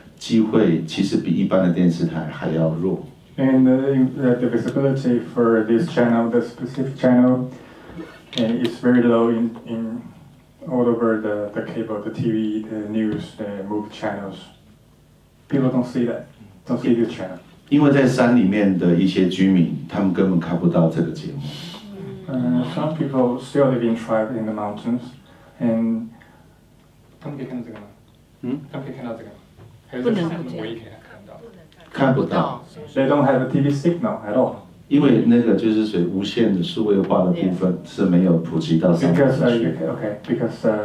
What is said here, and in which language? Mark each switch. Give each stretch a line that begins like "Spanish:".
Chinese: 而且在台湾，原住民电视台它的一个，就是可被看到观看的一个机会，其实比一般的电视台还要弱。
English: And the visibility for this channel, the specific channel, is very low in all over the cable, the TV, the news, the movie channels. People don't see that. Don't see this channel.
Chinese: 因为在山里面的一些居民，他们根本看不到这个节目。
English: Some people still live in tribe in the mountains, and
Chinese: 他们可以看到这个吗？他们可以看到这个吗？不能看到。看不到。
English: They don't have a TV signal at all.
Chinese: 因为那个就是属于无线的数位化的部分是没有普及到山里。Because